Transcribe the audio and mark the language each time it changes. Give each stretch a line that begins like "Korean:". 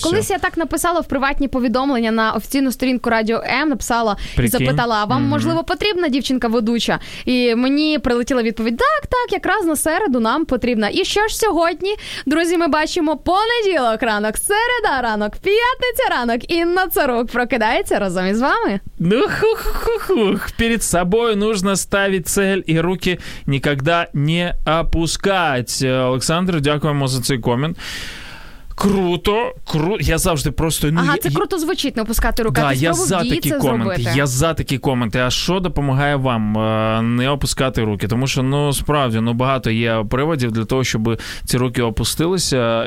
Ukrainian: Колись я так написала в приватні повідомлення на офіційну сторінку Радіо М, написала і запитала, а вам, можливо, потрібна дівчинка-ведуча? І мені прилетіла відповідь, так, так, якраз на середу нам потрібна. І що ж сьогодні, друзі, ми бачимо понеділок ранок, середа ранок, п'ятниця ранок, Інна Царук прокидається разом із вами.
Russian: Ну, хух-хух-хух, перед собою нужно ставить цель і руки никогда не опускать.
Ukrainian: Олександр, дякуємо за цей комент. Круто, круто. Я завжди просто... Ну, ага, це круто звучить, не опускати руки. Да, ти спробував за такі це коменти, зробити. Я за такі коменти. А що допомагає вам не опускати руки? Тому що, ну, справді, ну, багато є приводів для того, щоб ці руки опустилися.